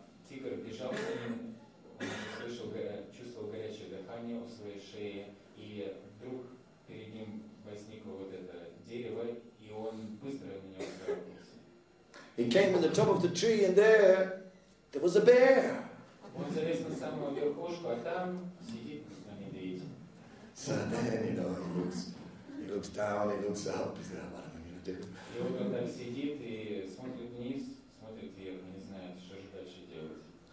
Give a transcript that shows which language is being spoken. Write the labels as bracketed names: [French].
[Russian] Тигр бежал за ним, слышал, чувствовал горячее дыхание у своей шеи, и вдруг перед ним возникло вот это дерево, и он быстро на него скарабкался. [English] He came to the top of the tree, and there was a bear. [Russian] Он залез на самую верхушку, а там сидит на медведь. [English] So then, you know, he looks down, he looks up, he says, what am I going to do? [Russian] И он когда сидит и смотрит вниз, смотрит вверх, не знает, что же дальше делать.